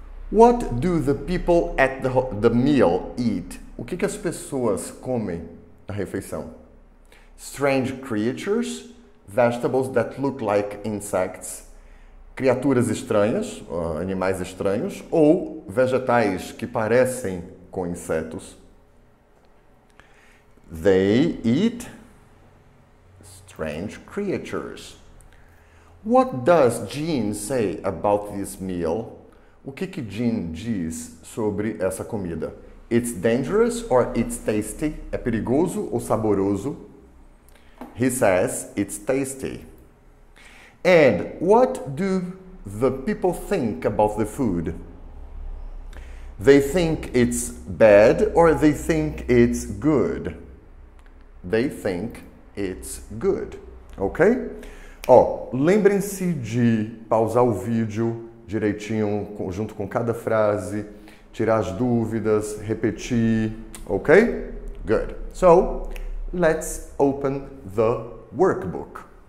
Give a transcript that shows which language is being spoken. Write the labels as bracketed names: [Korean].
[English] What do the people at the meal eat? [Portuguese] O que que as pessoas comem na refeição? [English] Strange creatures, vegetables that look like insects, [Portuguese] criaturas estranhas, animais estranhos, ou vegetais que parecem com insetos. [English] They eat strange creatures. What does Jean say about this meal? [Portuguese] O que que Jean diz sobre essa comida? [English] It's dangerous or it's tasty? [Portuguese] É perigoso ou saboroso? [English] He says it's tasty. And what do the people think about the food? They think it's bad or they think it's good? They think it's good, ok? [Portuguese] Ó, lembrem-se de pausar o vídeo direitinho, junto com cada frase, tirar as dúvidas, repetir, ok? [English] Good. So, let's open the workbook.